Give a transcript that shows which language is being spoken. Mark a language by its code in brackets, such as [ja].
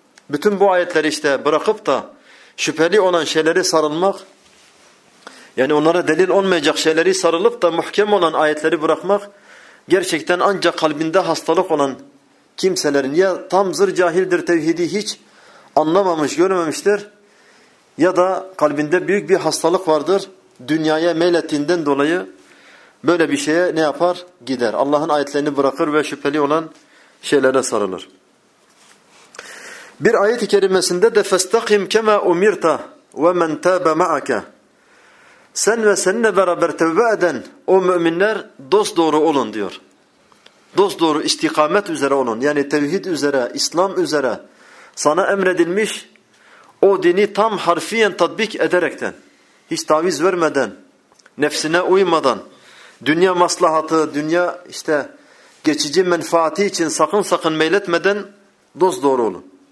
[tr] Bütün bu ayetleri işte bırakıp da şüpheli olan şeyleri sarılmak, yani onlara delil olmayacak şeyleri sarılıp da muhkem olan ayetleri bırakmak, gerçekten ancak kalbinde hastalık olan kimselerin ya tam zır cahildir, tevhidi hiç anlamamış, görmemiştir, ya da kalbinde büyük bir hastalık vardır, dünyaya meylettiğinden dolayı böyle bir şeye ne yapar? Gider. Allah'ın ayetlerini bırakır ve şüpheli olan şeylere sarılır. Bir ayet-i kerimesinde de [ar] فَاسْتَقِمْ كَمَا اُمِرْتَ وَمَنْ تَابَ مَعَكَ. [tr] Sen ve seninle beraber tevbe eden o müminler dost doğru olun diyor. Dost doğru istikamet üzere olun. Yani tevhid üzere, İslam üzere sana emredilmiş o dini tam harfiyen tatbik ederekten, hiç taviz vermeden, nefsine uymadan, dünya maslahatı, dünya işte geçici menfaati için sakın sakın meyletmeden dost doğru olun.